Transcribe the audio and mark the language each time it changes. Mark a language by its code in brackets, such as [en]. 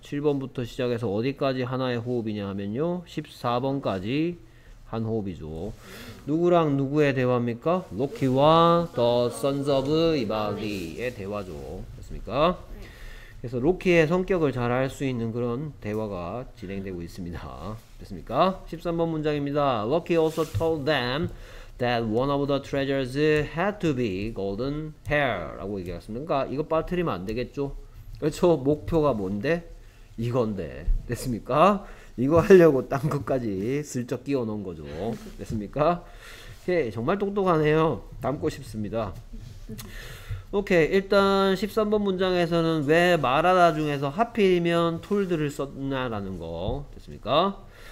[ko] 7번부터 시작해서 어디까지 하나의 호흡이냐 하면요, 14번까지 한 호흡이죠. 누구랑 누구의 대화입니까? 로키와 더 선즈 오브 이발디의 대화죠. 됐습니까? 그래서 로키의 성격을 잘 알 수 있는 그런 대화가 진행되고 있습니다. 됐습니까? 13번 문장입니다. [en] Loki also told them that one of the treasures had to be golden hair [ko] 라고 얘기했습니다. 그러니까 이거 빠뜨리면 안 되겠죠? 그렇죠? 목표가 뭔데? 이건데. 됐습니까? 이거 하려고 딴 것까지 슬쩍 끼워 넣은 거죠. 됐습니까? 오케이, 정말 똑똑하네요. 닮고 싶습니다. 오케이. 일단 13번 문장에서는 왜 말하다 중에서 하필이면 told를 썼냐라는 거 됐습니까?